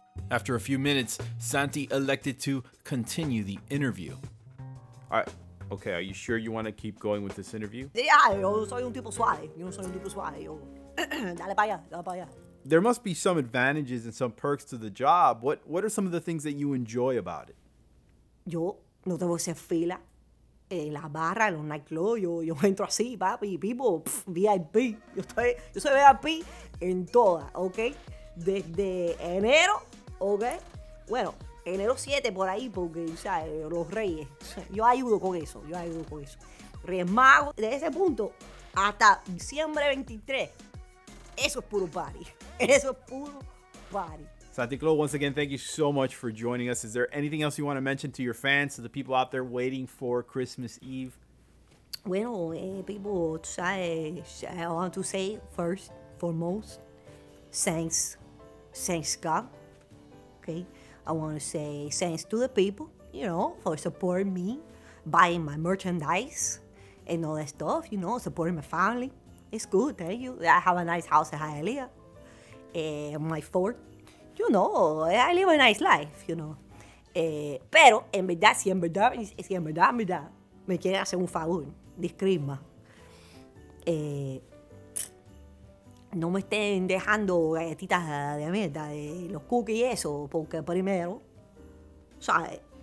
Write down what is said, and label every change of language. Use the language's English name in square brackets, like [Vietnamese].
[English] After a few minutes, Santi elected to continue the interview. Okay, are you sure you want to keep going with this interview? [Spanish] Yeah, yo soy un tipo suave. Yo soy un tipo suave. Dale para allá. [English] There must be some advantages and some perks to the job. What are some of the things that you enjoy about it? [Spanish] Yo no tengo que hacer fila en la barra, en los nightclubs. Yo entro así, papi, people, VIP. Yo soy VIP. En toda, ¿ok? Desde enero, ¿ok? Bueno, enero 7 por ahí, porque, ¿sabes? Los reyes, yo ayudo con eso, yo ayudo con eso. Reyes Magos, desde ese punto hasta diciembre 23, eso es puro party, eso es puro party. [English] Santi Clo, once again, thank you so much for joining us. Is there anything else you want to mention to your fans, to the people out there waiting for Christmas Eve? [Spanish] Bueno, people, tú sabes, [English] I want to say first, foremost, thanks God, okay? I want to say thanks to the people, you know, for supporting me, buying my merchandise and all that stuff, you know, supporting my family. It's good, thank you. I have a nice house in Hialeah, my fort. You know, I live a nice life, you know. [Spanish] Pero, en verdad, si en verdad, me quieren hacer un favor, disclaimer. No me estén dejando galletitas de mierda, de los cookies y eso, porque primero, ¿sabes?